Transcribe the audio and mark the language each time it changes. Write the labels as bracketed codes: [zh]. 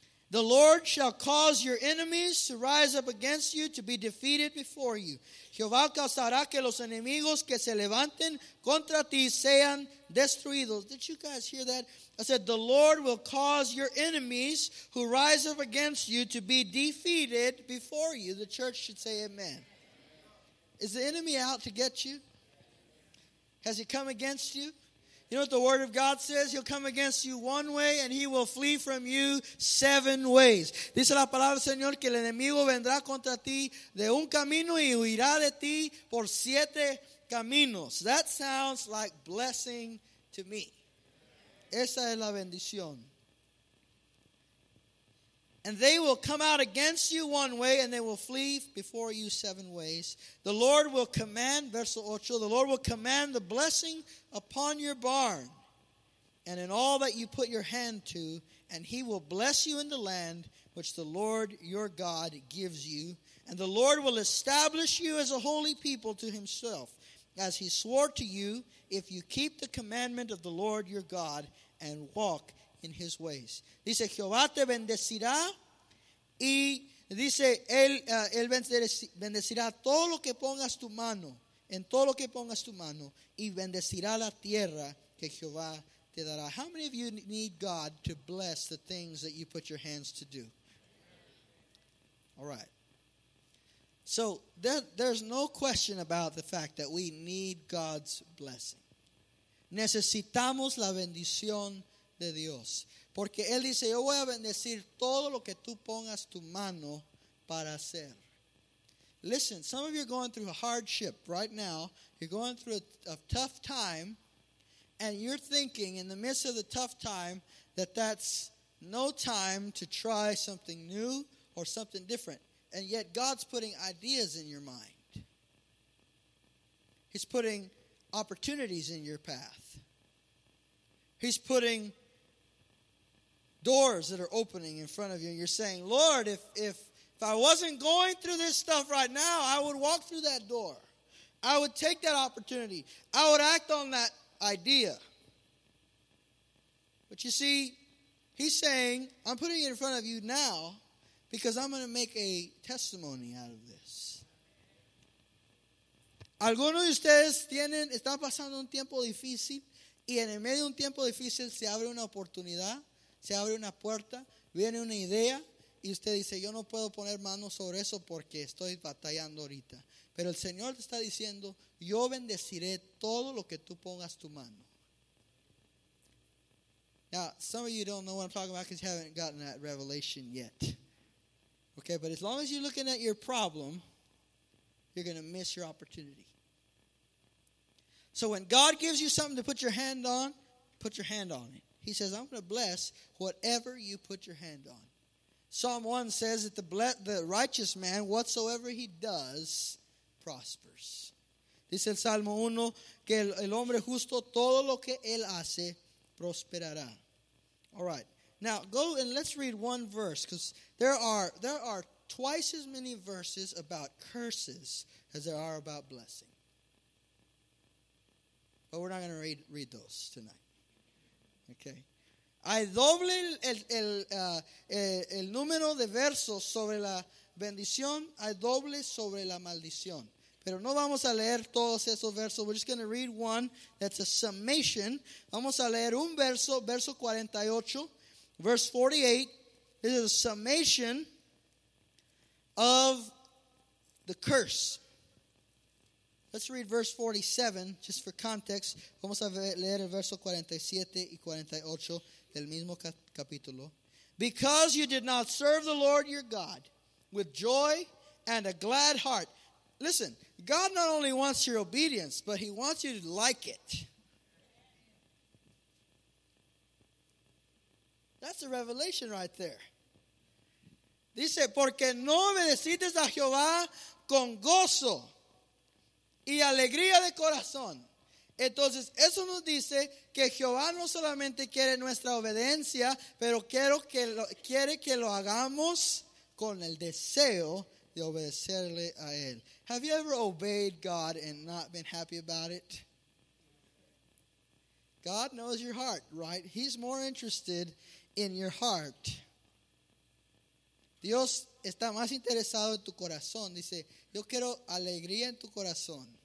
[en] The Lord shall cause your enemies to rise up against you, to be defeated before you. [es] Jehová causará que los enemigos que se levanten contra ti sean destruidos. [en] Did you guys hear that? I said, the Lord will cause your enemies who rise up against you to be defeated before you. The church should say amen. Is the enemy out to get you? Has he come against you? You know what the word of God says? He'll come against you one way and he will flee from you seven ways. [es] Dice la palabra del Señor que el enemigo vendrá contra ti de un camino y huirá de ti por siete caminos. [en] That sounds like blessing to me. [es] Esa es la bendición. [en] And they will come out against you one way and they will flee before you seven ways. The Lord will command, verso 8, the Lord will command the blessing upon your barn and in all that you put your hand to, and he will bless you in the land which the Lord your God gives you. And the Lord will establish you as a holy people to himself, as he swore to you, if you keep the commandment of the Lord your God and walk in his ways. [es] Dice Jehová te bendecirá y dice él bendecirá todo lo que pongas tu mano, en todo lo que pongas tu mano, y bendecirá la tierra que Jehová te dará. [en] How many of you need God to bless the things that you put your hands to do? All right. So there's no question about the fact that we need God's blessing. [es] Necesitamos la bendición de Dios. Porque él dice, yo voy a bendecir todo lo que tú pongas tu mano para hacer. [en] Listen, some of you are going through a hardship right now. You're going through a tough time. And you're thinking in the midst of the tough time that that's no time to try something new or something different. And yet God's putting ideas in your mind. He's putting opportunities in your path. He's putting doors that are opening in front of you. And you're saying, Lord, if I wasn't going through this stuff right now, I would walk through that door. I would take that opportunity. I would act on that idea. But you see, he's saying, I'm putting it in front of you now because I'm going to make a testimony out of this. [es] ¿Alguno de ustedes están pasando un tiempo difícil? Y en el medio de un tiempo difícil se abre una oportunidad. Se abre una puerta, viene una idea y usted dice, yo no puedo poner manos sobre eso porque estoy batallando ahorita. Pero el Señor te está diciendo, yo bendeciré todo lo que tú pongas tu mano. [en] Now, some of you don't know what I'm talking about because you haven't gotten that revelation yet. Okay, but as long as you're looking at your problem, you're going to miss your opportunity. So when God gives you something to put your hand on it. He says, I'm going to bless whatever you put your hand on. Psalm 1 says that the righteous man, whatsoever he does, prospers. [es] Dice el Salmo 1, que el hombre justo, todo lo que él hace, prosperará. [en] All right. Now, go and let's read one verse, because there are twice as many verses about curses as there are about blessing. But we're not going to read those tonight. Okay. [es] Hay doble el número de versos sobre la bendición, hay doble sobre la maldición. Pero no vamos a leer todos esos versos. [en] We're just going to read one that's a summation. [es] Vamos a leer un verso, verso 48, [en] verse 48. This is a summation of the curse. Let's read verse 47, just for context. [es] Vamos a leer el verso 47 y 48 del mismo capítulo. [en] Because you did not serve the Lord your God with joy and a glad heart. Listen, God not only wants your obedience, but he wants you to like it. That's a revelation right there. [es] Dice, porque no obedeciste a Jehová con gozo y alegría de corazón. Entonces, eso nos dice que Jehová no solamente quiere nuestra obediencia, pero quiere que lo hagamos con el deseo de obedecerle a él. [en] Have you ever obeyed God and not been happy about it? God knows your heart, right? He's more interested in your heart. [es] Dios está más interesado en tu corazón. Dice, yo quiero alegría en tu corazón.